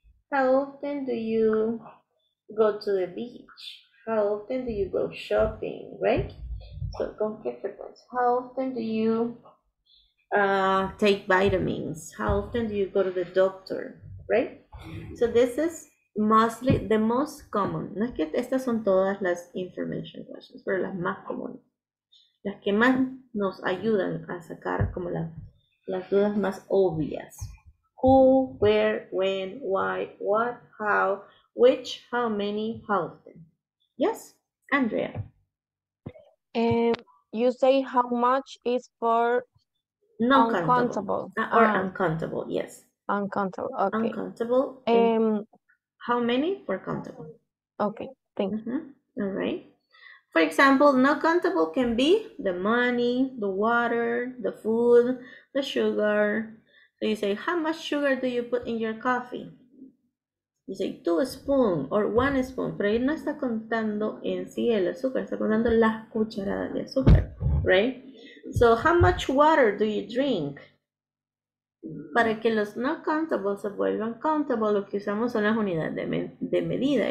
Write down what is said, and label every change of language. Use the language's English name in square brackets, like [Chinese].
[English] How often do you go to the beach? How often do you go shopping, right? So, [Spanish] ¿con qué frecuencia? [English] How often do you take vitamins? How often do you go to the doctor, right? So this is mostly the most common. [Spanish] No es que estas son todas las [English] information questions, [Spanish] pero las más comunes. Las que más nos ayudan a sacar como las dudas más obvias. [English] Who, where, when, why, what, how, which, how many, how often. Yes, Andrea. You say how much is for non-countable or uncountable, yes. Uncountable, okay. Uncountable. How many for countable? Okay, thank you. Mm-hmm. All right. For example, non-countable can be the money, the water, the food, the sugar. So you say, how much sugar do you put in your coffee? You say 2 spoons or 1 spoon. [Spanish] Pero ahí no está contando en sí el azúcar, está contando las cucharadas de azúcar, right? [English] So, how much water do you drink? [Spanish] Para que los no countables se vuelvan countable, lo que usamos son las unidades de medida.